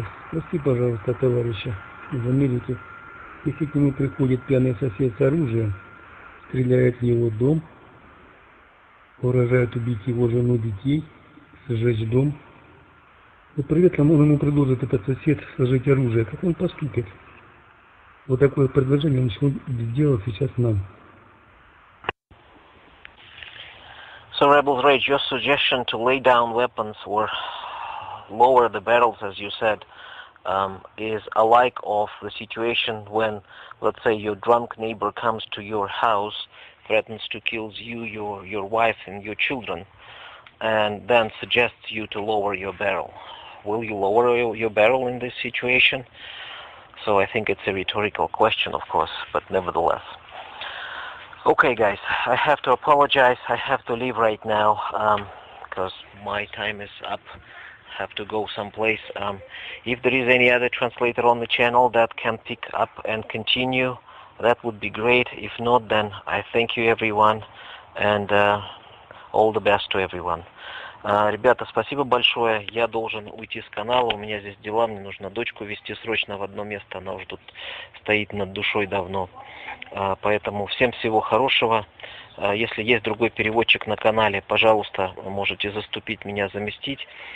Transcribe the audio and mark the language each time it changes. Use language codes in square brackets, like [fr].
[ru] Прости, пожалуйста, товарища, в Америке. Если к нему приходит пьяный сосед с оружием, стреляет в его дом, угрожает убить его жену, детей, сжечь дом, вот при этом он ему предложит, этот сосед, сложить оружие. Как он поступит? Вот такое предложение он сделал сейчас нам. [en] So, Rebels Rage, your suggestion to lay down weapons or lower the barrels, as you said, is alike of the situation when, let's say, your drunk neighbor comes to your house, threatens to kill you, your wife and your children, and then suggests you to lower your barrel. Will you lower your barrel in this situation? So I think it's a rhetorical question, of course, but nevertheless. Okay, guys, I have to apologize. I have to leave right now because my time is up. I have to go someplace. If there is any other translator on the channel that can pick up and continue, that would be great. If not, then I thank you, everyone, and all the best to everyone. [ru] Ребята, спасибо большое. Я должен уйти с канала. У меня здесь дела. Мне нужно дочку везти срочно в одно место. Она уже тут стоит над душой давно. Поэтому всем всего хорошего. Если есть другой переводчик на канале, пожалуйста, можете заступить меня, заместить.